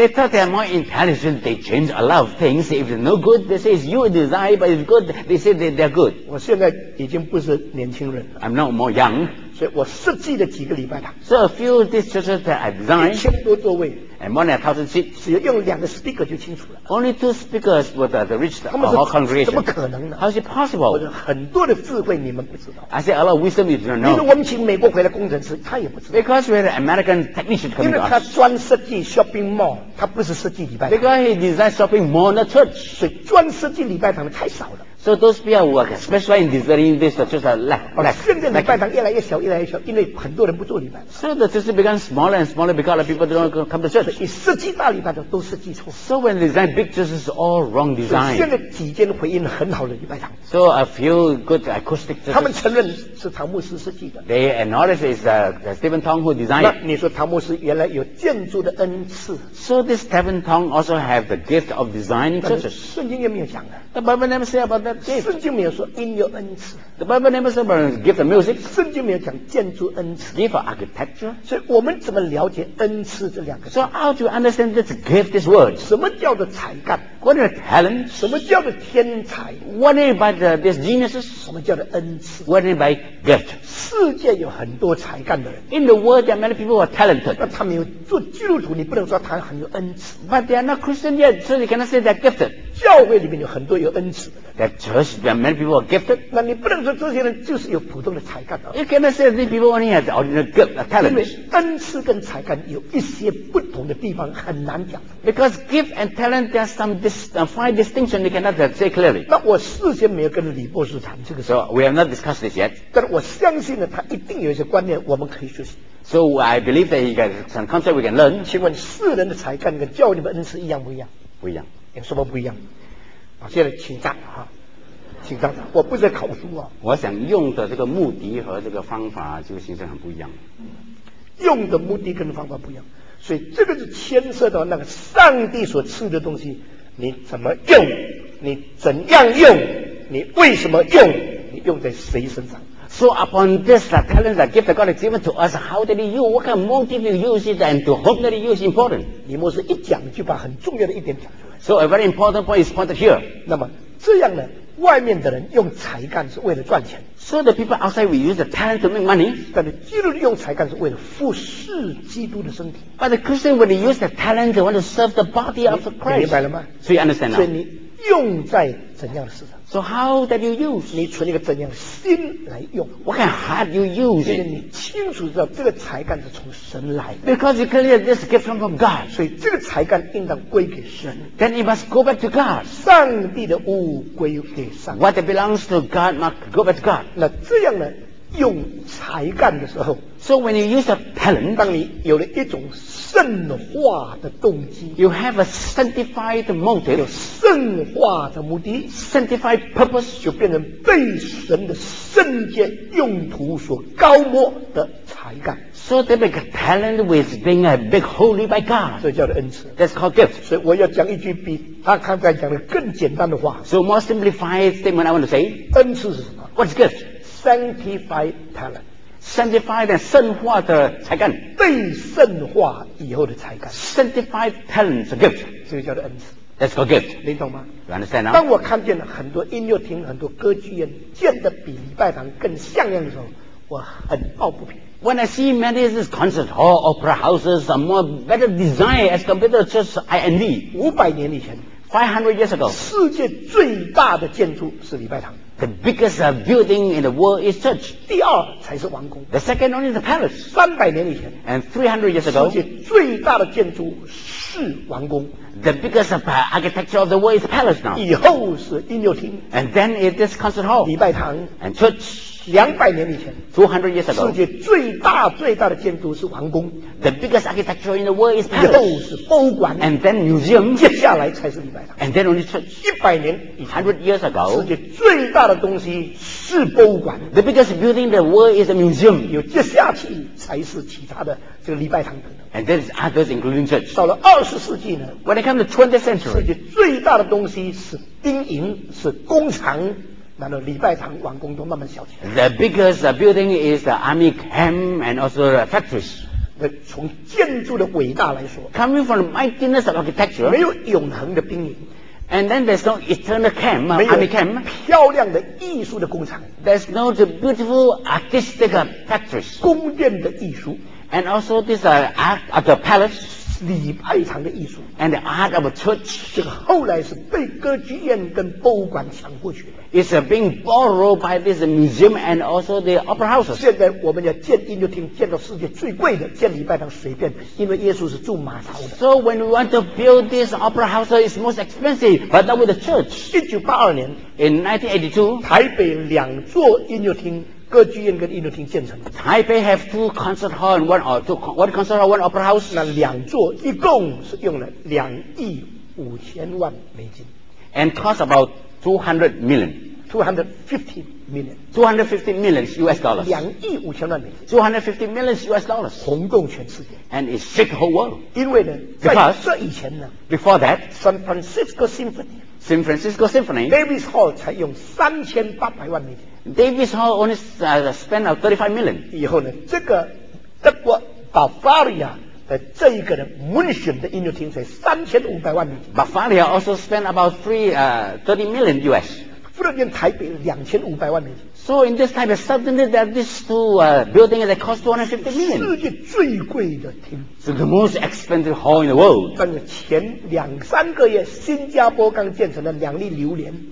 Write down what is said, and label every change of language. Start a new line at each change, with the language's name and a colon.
English: They thought they are more intelligent. They change a lot of things. If they're no good, they say it's your design, but it's good. They say that they're good.
Chinese: 我现在已经不是年轻人了。
English: I'm no more young.
Chinese: 所以我设计了几个礼拜堂。
English: So a few of these churches that I designed.
Chinese: 1000多座位。
English: And more than 1000 seats.
Chinese: 只要用两个 speaker 就清楚了。
English: Only two speakers with the rich whole congregation.
Chinese: 怎么可能呢？
English: How is it possible?
Chinese: 我说很多的智慧你们不知道。
English: I say a lot of wisdom you don't know.
Chinese: 因为我们请美国回来工程师，他也不知道。
English: Because we're American technician coming.
Chinese: 因为他专设计 shopping mall， 他不是设计礼拜堂。
English: Because he designed shopping mall, not church.
Chinese: 所以专设计礼拜堂的太少了。
English: So those people who are specialized in designing this church are lack.
Chinese: 现在礼拜堂越来越小，越来越小，因为很多人不做礼拜。
English: So the church becomes smaller and smaller because the people don't come to church.
Chinese: 所以设计大礼拜堂都设计错。
English: So when design big churches, all wrong design.
Chinese: 现在几间回应很好的礼拜堂。
English: So a few good acoustic churches.
Chinese: 他们承认是唐牧师设计的。
English: They acknowledge is Stephen Tong who designed.
Chinese: 那你说唐牧师原来有建筑的恩赐。
English: So this Stephen Tong also have the gift of designing churches.
Chinese: 圣经也没有讲的。
English: The Bible never say about that.
Chinese: 圣经没有说因有恩赐。
English: The Bible never says about gift of music.
Chinese: 圣经没有讲建筑恩赐。
English: Gift of architecture.
Chinese: 所以我们怎么了解恩赐这两个
English: 词？ So how do you understand this gift, this word?
Chinese: 什么叫做才干？
English: What is talent?
Chinese: 什么叫做天才？
English: What about this genius?
Chinese: 什么叫做恩赐？
English: What about gift?
Chinese: 世界有很多才干的人。
English: In the world, there are many people who are talented.
Chinese: 那他没有做基督徒，你不能说他很有恩赐。
English: But they are not Christian yet, so you cannot say they're gifted.
Chinese: 教会里面有很多有恩赐的。
English: That church, there are many people are gifted.
Chinese: 那你不能说这些人就是有普通的才干的。
English: You cannot say these people only have ordinary gift, talent.
Chinese: 因为恩赐跟才干有一些不同的地方很难讲。
English: Because gift and talent, there are some fine distinction you cannot say clearly.
Chinese: 那我事先没有跟李博士谈这个事。
English: So we have not discussed this yet.
Chinese: 但我相信呢，他一定有一些观念我们可以学习。
English: So I believe that he got some concept we can learn.
Chinese: 请问世人的才干跟教你们恩赐一样不一样？不一样。有什么不一样？现在请站哈，请站。我不是考书啊。我想用的这个目的和这个方法就形成很不一样。用的目的跟方法不一样，所以这个是牵涉到那个上帝所赐的东西，你怎么用，你怎样用，你为什么用，你用在谁身上。
English: So upon this talent that gift that God has given to us, how did he use? What kind of motive you use it, and to whom did he use? Important.
Chinese: 李牧师一讲就把很重要的一点讲出来。
English: So a very important point is pointed here.
Chinese: 那么这样呢，外面的人用才干是为了赚钱。
English: So the people outside we use the talent to make money.
Chinese: 但是基督徒用才干是为了服侍基督的身体。
English: But the Christian when he use the talent, they want to serve the body of the Christ.
Chinese: 明白了吗？所以
English: understand
Chinese: 了。所以你用在怎样的事上？
English: So how that you use?
Chinese: 你存一个怎样的心来用？
English: What kind of heart you use?
Chinese: 因为你清楚知道这个才干是从神来的。
English: Because you clearly this gift from God.
Chinese: 所以这个才干应当归给神。
English: Then it must go back to God.
Chinese: 上帝的物归给上帝。
English: What belongs to God must go back to God.
Chinese: 那这样呢，用才干的时候。
English: So when you use a talent.
Chinese: 当你有了一种圣化的动机
English: ，You have a sanctified motive，
Chinese: 有圣化的目的
English: ，sanctified purpose
Chinese: 就变成被神的圣洁用途所高摩的才干。
English: So they make a talent with being a big holy by God，
Chinese: 这叫做恩赐。
English: That's called gift。
Chinese: 所以我要讲一句比他刚才讲的更简单的话。
English: So more simplified statement I want to say，
Chinese: 恩赐是什么
English: ？What's gift？ Sanctified talent。
Chinese: Sanctified 的圣化的才干，被圣化以后的才干。
English: Sanctified talents, a gift，
Chinese: 这个叫做恩赐。
English: That's called gift，
Chinese: 你懂吗
English: ？You understand now？
Chinese: 当我看见了很多音乐厅、很多歌剧院建得比礼拜堂更像样的时候，我很抱不平。
English: When I see many of these concert hall, opera houses are more better designed as compared to just I&D，
Chinese: 500年以前
English: ，500 years ago，
Chinese: 世界最大的建筑是礼拜堂。
English: The biggest building in the world is church.
Chinese: 第二才是王宫。
English: The second only is the palace.
Chinese: 300年以前。
English: And 300 years ago.
Chinese: 世界最大的建筑是王宫。
English: The biggest architecture of the world is the palace now.
Chinese: 以后是音乐厅。
English: And then it is concert hall.
Chinese: 礼拜堂。
English: And church. 200 years ago 200 years ago
Chinese: 世界最大最大的建筑是皇宫
English: The biggest architecture in the world is palace
Chinese: 又是博物馆
English: And then museum
Chinese: 接下来才是礼拜堂
English: And then only church 100 years ago
Chinese: 世界最大的东西是博物馆
English: The biggest building in the world is a museum
Chinese: 又接下去才是其他的这个礼拜堂等等
English: And then others including church
Chinese: 到了20世纪呢
English: When it comes to 20th century
Chinese: 世界最大的东西是兵营是工厂那个礼拜堂、王宫都慢慢小起来。
English: The biggest building is the army camp and also the factories.
Chinese: 那从建筑的伟大来说
English: ，coming from the mightiness of architecture，
Chinese: 没有永恒的兵营。
English: And then there's no eternal camp, army camp.
Chinese: 没有漂亮的艺术的工厂。
English: There's no the beautiful artistic factories.
Chinese: 宫殿的艺术。
English: And also this art of the palace.
Chinese: 礼拜堂的艺术
English: and the art of a church
Chinese: 这个后来是被歌剧院跟博物馆抢过去的
English: is being borrowed by this museum and also the opera houses
Chinese: 现在我们要建音乐厅建到世界最贵的建礼拜堂随便因为耶稣是住马槽的
English: so when we want to build this opera house it's most expensive but not with the church
Chinese: 1982年
English: in 1982
Chinese: 台北两座音乐厅歌剧院跟音乐厅建成的。
English: Taipei have two concert hall and one or two one concert hall one opera house。
Chinese: 那两座一共是用了$25,000,000。
English: And cost about $200 million。 $250 million。 $250 million US dollars。 $25,000,000。 $250 million US dollars。
Chinese: 轰动全世界。
English: And it shook the whole world。
Chinese: 因为呢，
English: Because、
Chinese: 在这以前呢
English: ，Before that， San Francisco Symphony。 San Francisco Symphony。
Chinese: Davis Hall 才用$38,000,000。
English: Davis Hall only spent out $35 million.
Chinese: 以后呢，这个德国 Bavaria 的这一个的 München 的音乐厅才$3,500,000。
English: Bavaria also spent about $30 million US.
Chinese: 不然用台北$2,500,000。
English: So in this time, suddenly there are these two buildings that cost $250 million.
Chinese: 世界最贵的厅。
English: So the most expensive hall in the world.
Chinese: 但是前两三个月，新加坡刚建成了两粒榴莲。